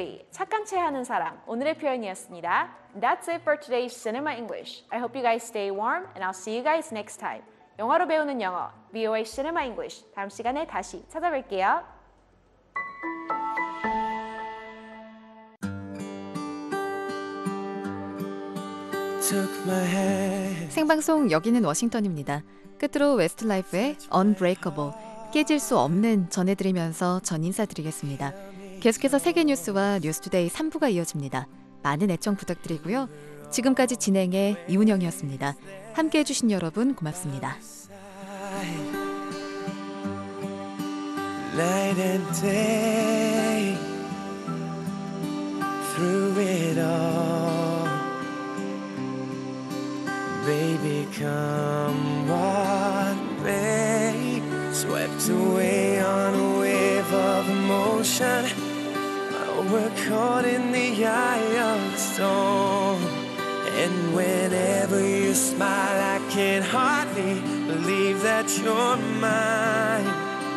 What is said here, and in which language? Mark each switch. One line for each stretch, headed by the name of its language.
Korean: 착한 체 하는 사람, 오늘의 표현이었습니다.
English: That's it for today's Cinema English. I hope you guys stay warm and I'll see you guys next time.
Korean: 영화로 배우는 영어, VOA Cinema English. 다음 시간에 다시 찾아뵐게요. 생방송 여기는 워싱턴입니다. 끝으로 웨스트라이프의 Unbreakable, 깨질 수 없는 전해드리면서 전 인사드리겠습니다. 계속해서 세계뉴스와 뉴스투데이 3부가 이어집니다. 많은 애청 부탁드리고요. 지금까지 진행해 이운영이었습니다. 함께해 주신 여러분 고맙습니다.
English: Night and day, through it all, baby, come what may, swept away on a wave of emotion, we're caught in the eye of the storm, and whenever you smile, I can hardly believe that you're mine.